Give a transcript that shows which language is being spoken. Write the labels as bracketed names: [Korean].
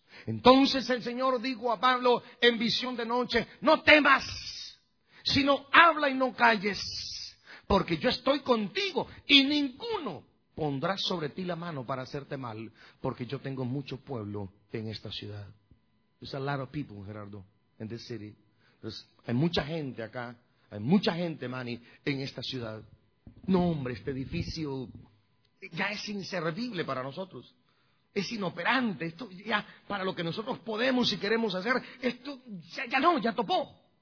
[Spanish] Entonces el Señor dijo a Pablo en visión de noche, no temas, sino habla y no calles, porque yo estoy contigo y ninguno pondrá sobre ti la mano para hacerte mal, porque yo tengo mucho pueblo en esta ciudad. [English] There's a lot of people, Gerardo, in this city. [Spanish] There's, hay mucha gente acá, hay mucha gente, Manny, en esta ciudad. No, hombre, este edificio ya es inservible para nosotros. Es inoperante, esto ya para lo que nosotros podemos y queremos hacer, esto ya topó.